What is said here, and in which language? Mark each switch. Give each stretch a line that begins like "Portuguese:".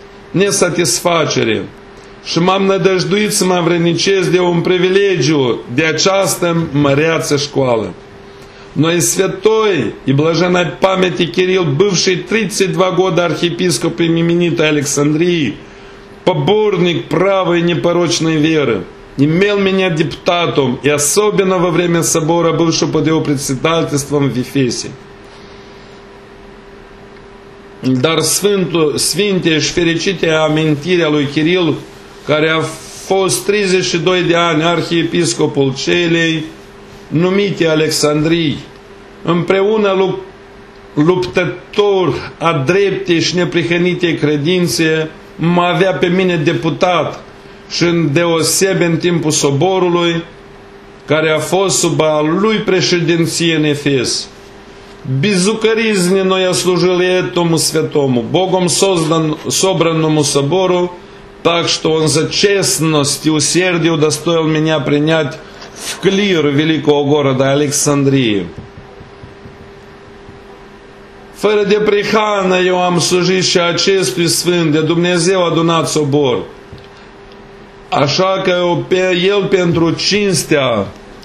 Romanian: nesatisfacere și m-am nădăjduit să mă învrednicesc de un privilegiu de această măreață școală.
Russian: Noi святой и блаженной памяти Кирилл, бывший 32 года архиепископ именитой Александрии, поборник правой непорочной веры, имел меня депутатом, и особенно во время собора, бывшего под его председательством в Ефесе.
Romanian: Dar sfinte și fericite amintirea lui Kirill, care a fost 32 de ani arhiepiscopul celei numite Alexandrii, împreună luptător a dreptei și neprihănitei credințe, mă avea pe mine deputat și îndeosebe în timpul soborului care a fost sub a lui președinție în Efes.
Russian: Безукоризненно я служил этому святому, Богом собранному собору, так что он за честность и усердие удостоил меня принять в клир великого города Александрии.
Romanian: Fără de prihană eu am slujit și acestui sfânt, de Dumnezeu adunat sobor. Așa că el pentru cinstea